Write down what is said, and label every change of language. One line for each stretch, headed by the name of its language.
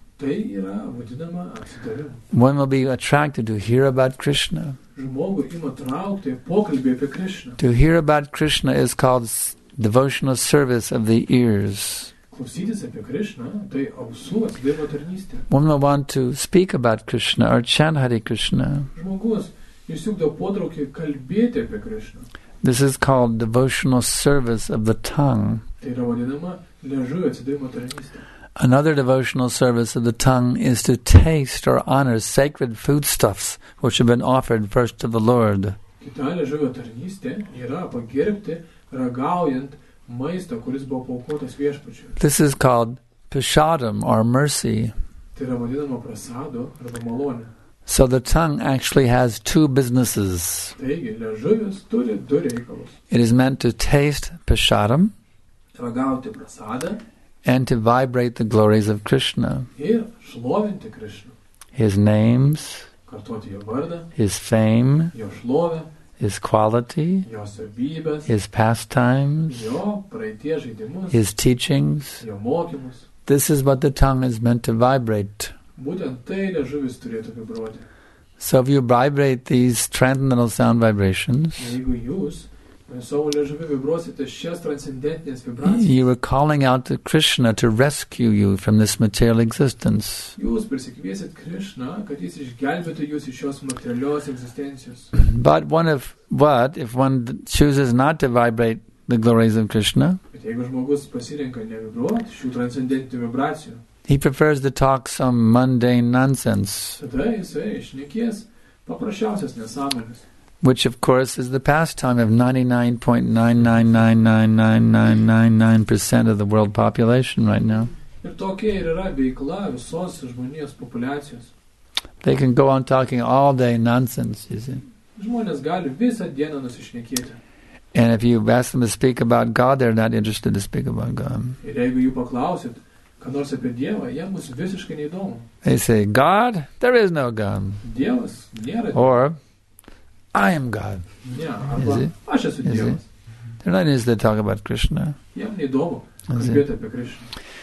Lithuanian: Tai yra vadinama atsidavimu.
English: One will be attracted to hear about Krishna.
Lithuanian: Žmogų ima traukti pokalbį apie Krishna.
English: To hear about Krishna is called devotional service of the ears.
Lithuanian: Klausytis apie Krishna, tai ausų atsidavimo tarnystė.
English: One will want to speak about Krishna or chant Hare Krishna.
Lithuanian: Žmogus išsiugdo potraukį kalbėti apie Krishna.
English: This is called devotional service of the tongue.
Lithuanian: Tai yra vadinama liežuvio atsidavimo tarnystė.
English: Another devotional service of the tongue is to taste or honor sacred foodstuffs which have been offered first to the Lord.
Lithuanian: Kita liežuvio tarnystė yra pagerbti ragaujant maisto, kuris buvo paukotas viešpačiui.
English: This is called prasadam or mercy.
Lithuanian: Tai yra vadinama prasado arba malonė.
English: So the tongue actually has two businesses.
Lithuanian: Taigi, liežuvis turi du reikalus.
English: It is meant to taste prasadam.
Lithuanian: Ragauti prasadą.
English: And to vibrate the glories of Krishna.
Lithuanian: Ir šlovinti Krishna.
English: His names.
Lithuanian: Kartuoti jo vardą.
English: His fame.
Lithuanian: Jo šlovę.
English: His quality,
Lithuanian: jo savybės,
English: his pastimes,
Lithuanian: jo praeities žaidimus,
English: his teachings,
Lithuanian: jo mokymus.
English: This is what the tongue is meant to vibrate.
Lithuanian: Būtent tai liežuvis turėtų vibruoti.
English: So if you vibrate these transcendental sound vibrations,
Lithuanian: jeigu jūs savo liežuviu vibruosite šias transcendentines vibracijas,
English: you are calling out to Krishna to rescue you from this material existence.
Lithuanian: Jūs prisikviesit Krishna, kad jis išgelbėtų jūs iš šios materialios egzistencijos.
English: But if one chooses not to vibrate the glories of Krishna,
Lithuanian: bet jeigu žmogus pasirenka nevibruoti šių transcendentinių vibracijų,
English: he prefers to talk some mundane nonsense.
Lithuanian: Tada jisai išnekės paprasčiausias nesąmonės.
English: Which, of course, is the pastime of 99.9999999% of the world population right now.
Lithuanian: Ir tokia ir yra veikla visos žmonijos populiacijos.
English: They can go on talking all day nonsense, you see.
Lithuanian: Žmonės gali visą dieną nusišnekėti.
English: And if you ask them to speak about God, they're not interested to speak about God.
Lithuanian: Ir jeigu jų paklausit, ką nors apie Dievą, jie mus visiškai neįdomu.
English: They say, God? There is no God.
Lithuanian: Dievas nėra.
English: Or, I am God.
Lithuanian: Yeah, arba, aš esu Dievas.
English: They're not interested to talk about Krishna.
Lithuanian: Jiem neįdomu kalbėti apie Krishna.